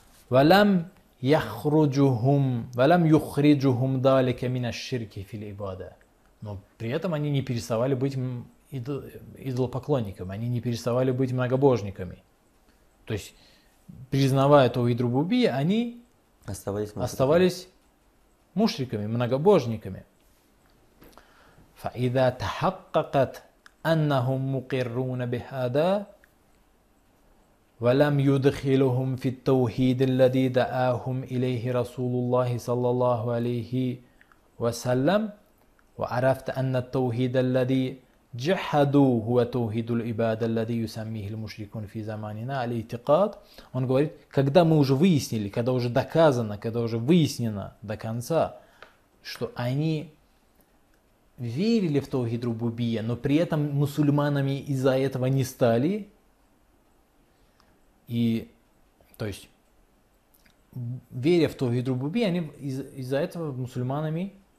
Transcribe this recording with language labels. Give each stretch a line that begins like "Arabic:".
Arabic: Валям юхриджухум далика мина ширки фил ибада.
Russian: Но при этом они не переставали быть идолопоклонниками, они не переставали быть многобожниками. То есть, признавая таухид рубубия, они Оставались мушриками. оставались мушриками, многобожниками.
Arabic: فإذا تحققت أنهم مقرون بهذا ولم يدخلهم في التوحيد الذي دعاهم إليه رسول الله صلى الله عليه وسلم وعرفت أن التوحيد الذي جحدوا هو توحيد العبادة الذي يسميه المشركون في زماننا الاعتقاد.
Russian: Он говорит, когда мы уже выяснили, когда уже доказано, когда уже выяснено до конца, что они верили в таухид рубубия, но при этом мусульманами из-за этого не стали. И, то есть, веря в таухид рубубия, они из-за этого мусульманами